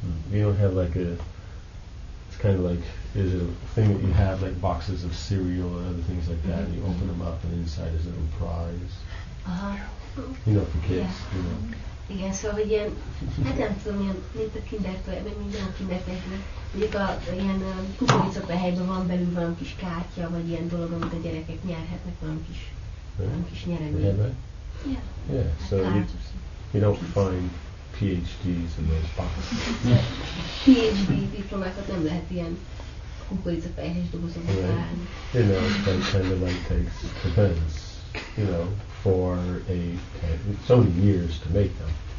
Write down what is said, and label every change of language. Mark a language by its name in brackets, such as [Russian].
[English] You don't have like a, it's kind of like, is it a thing that you have like boxes of cereal and other things like that, and you open them up and inside is a little prize. Uh-huh. You know, for kids, yeah. [Hungarian] Igen, szóval hogy ilyen, hát nem tudom, ilyen, mint a kindertoly, meg minden a kindertoly, mondjuk ilyen kukoricapehelyben van belül valami kis kártya, vagy ilyen dolog, amit a gyerekek nyerhetnek, valami kis nyeremény. [English] Yeah, right? Yeah. So you don't find PhDs in those boxes. [Hungarian] PhD diplomákat nem lehet ilyen kukoricapehelyes dobozokba találni. [English] You know, that kind of like takes depends, for a so many years to make them.